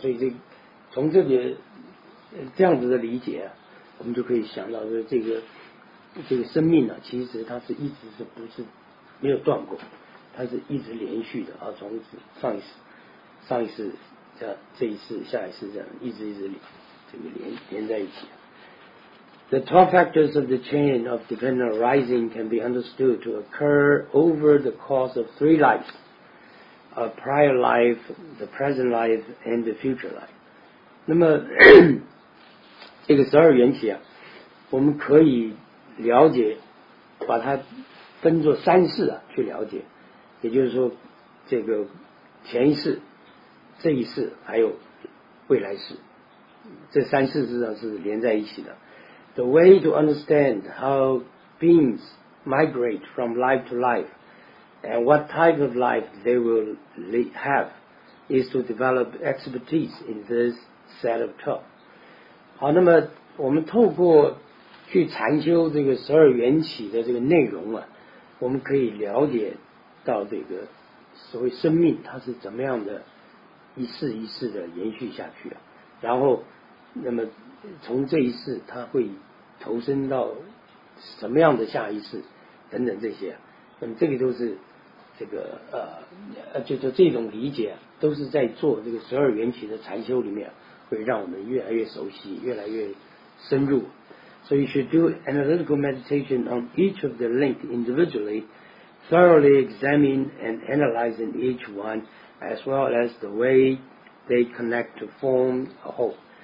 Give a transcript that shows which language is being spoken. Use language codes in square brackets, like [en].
[zh] 所以这从这里这样子的理解啊，我们就可以想到说，这个生命呢、啊，其实它是一直是不是没有断过，它是一直连续的啊，从上一世这样，这一世下一世这样，一直这个连在一起。 [en] The 12 factors of the chain of dependent arising can be understood to occur over the course of three lives: a prior life, the present life, and the future life. [zh] 那么这个十二缘起啊，我们可以了解，把它分作三世啊去了解，也就是说，这个前一世、这一世还有未来世，这三世实际上是连在一起的。 [en] The way to understand how beings migrate from life to life and what type of life they will have is to develop expertise in this set of 12. [zh] 好，那么我们透过去禅修这个十二缘起的这个内容啊，我们可以了解到这个所谓生命它是怎么样的一世一世的延续下去啊，然后那么从这一世它会投身到什么样的下一世等等这些、啊、那么这个都是这个就是这种理解、啊、都是在做这个十二缘起的禅修里面、啊、会让我们越来越熟悉，越来越深入。 [en] So you should do analytical meditation on each of the link individually, thoroughly examine and analyze in each one as well as the way they connect to form a whole.